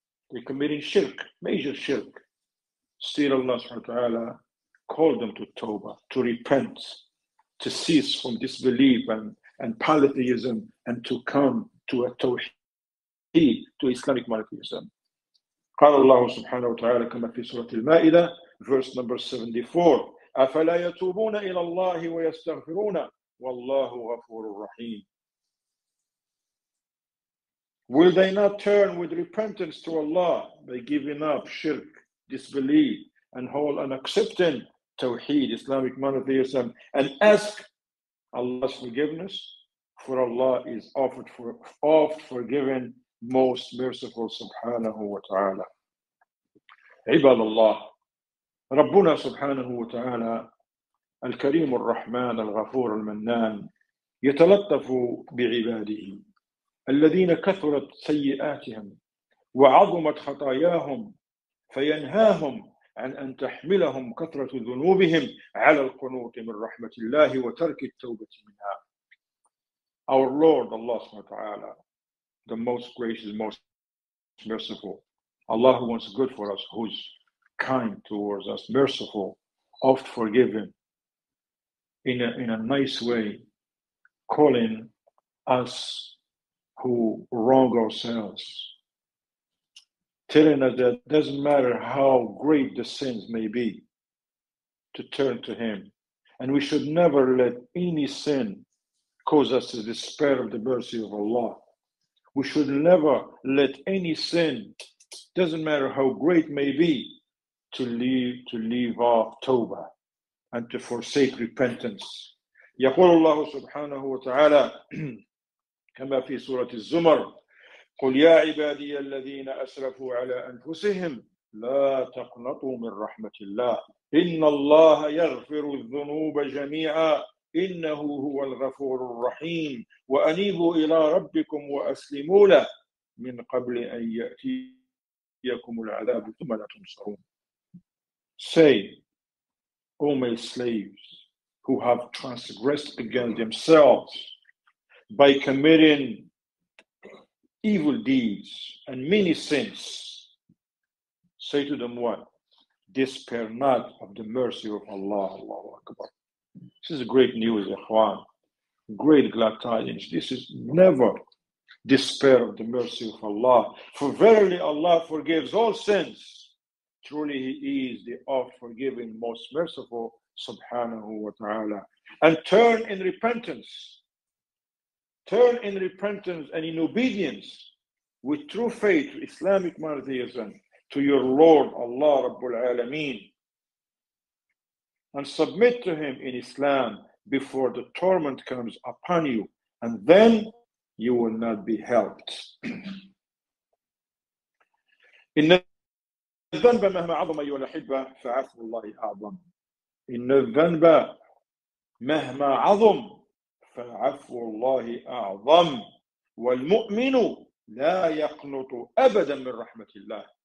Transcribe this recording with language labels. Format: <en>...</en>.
<en>They're committing shirk, major shirk. Still Allah subhanahu wa ta'ala called them to tawbah, to repent, to cease from disbelief and polytheism, and to come to a tawheed, to Islamic monotheism.</en> <ar>قَالَ اللَّهُ سُبْحَانَهُ وَتَعَالَى كَمَا فِي سُورَةِ الْمَائِدَةِ,</ar> <en>verse number 74.</en> <ar>أفلا يتوبون إلى الله ويستغفرون والله غفور رحيم.</ar> <en>Will they not turn with repentance to Allah by giving up shirk, disbelief, and whole and accepting tawheed, Islamic monotheism, and ask Allah's forgiveness? For Allah is oft forgiven, most merciful, subhanahu wa ta'ala.</en> <ar>عباد الله. ربنا سبحانه وتعالى الكريم الرحمن الغفور المنان يتلطف بعباده الذين كثرت سيئاتهم وعظمت خطاياهم فينهاهم عن أن تحملهم كثرة ذنوبهم على القنوط من رحمة الله وترك التوبة منها.</ar> <en>Our Lord, Allah</en> <ar>سبحانه وتعالى,</ar> <en>the most gracious, most merciful, Allah who wants good for us, who's kind towards us, merciful, oft forgiven, in a nice way, calling us who wrong ourselves, telling us that it doesn't matter how great the sins may be, to turn to Him. And we should never let any sin cause us to despair of the mercy of Allah. We should never let any sin, doesn't matter how great may be, to leave off tawbah and to forsake repentance.</en> <ar>يقول الله سبحانه وتعالى كما في سورة الزمر قل يا عبادي الذين أسرفوا على أنفسهم لا تقنطوا من رحمة الله إن الله يغفر الذنوب جميعا إنه هو الغفور الرحيم وأنيبوا إلى ربكم وأسلموا له من قبل أن يأتيكم العذاب ثم لا تنصرون.</ar> <en>Say, O my slaves who have transgressed against themselves by committing evil deeds and many sins, say to them what? Despair not of the mercy of Allah. Allahu Akbar. This is great news, Ikhwan. Great glad tidings. This is never despair of the mercy of Allah. For verily Allah forgives all sins. Truly He is the all-forgiving, most merciful, subhanahu wa ta'ala. And turn in repentance. Turn in repentance and in obedience with true faith, Islamic monotheism, to your Lord, Allah, Rabbul Alameen. And submit to Him in Islam before the torment comes upon you. And then you will not be helped.</en> <ar>الذنب مهما عظم أيها الأحبة فعفو الله أعظم. إن الذنب مهما عظم فعفو الله أعظم. والمؤمن لا يقنط أبدا من رحمة الله.</ar>